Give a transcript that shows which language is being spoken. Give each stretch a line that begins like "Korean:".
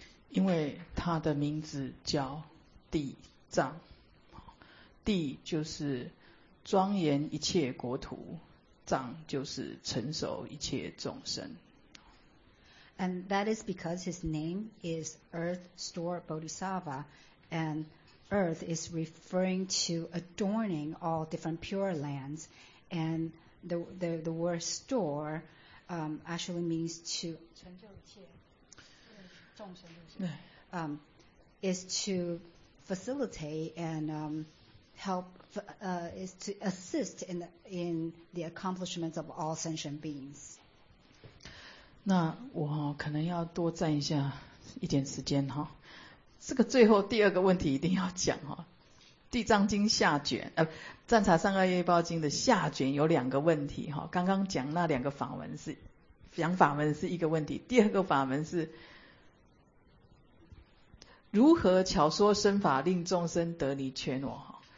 Chinese: 因为它的名字叫地藏，地就是庄严一切国土，藏就是成熟一切众生。
English: And that is because his name is Earth Store Bodhisattva, and earth is referring to adorning all different pure lands, and the word store actually means to
Chinese: 成就一切众生，
English: is to facilitate and help is to assist in the accomplishments of all sentient beings.
Chinese: 那我可能要多占一下一点时间哈。这个最后第二个问题一定要讲哈。地藏经下卷，赞茶三二业报经的下卷有两个问题哈。刚刚讲那两个法门是讲法门是一个问题，第二个法门是如何巧说身法令众生得离圈我。